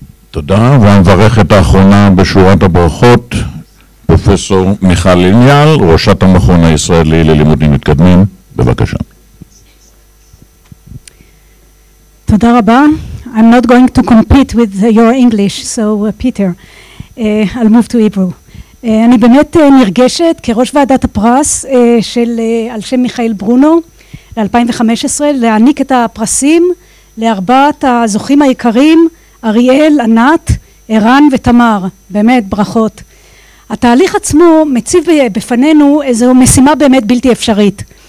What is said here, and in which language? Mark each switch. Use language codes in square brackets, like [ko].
[he] תודה, והמברכת האחרונה בשורת הברכות, פרופסור מיכל איניאל, ראשת המכון הישראלי ללימודים מתקדמים, בבקשה. תודה רבה. [en] I'm not going to compete with your English, so Peter, I'll move to Hebrew. [he] אני באמת נרגשת כראש ועדת הפרס של על שם מיכאל ברונו ל-2015, להעניק את הפרסים לארבעת הזוכים העיקריים, אריאל, ענת, ערן ותמר, באמת ברכות. התהליך עצמו מציב בפנינו איזו משימה באמת בלתי אפשרית.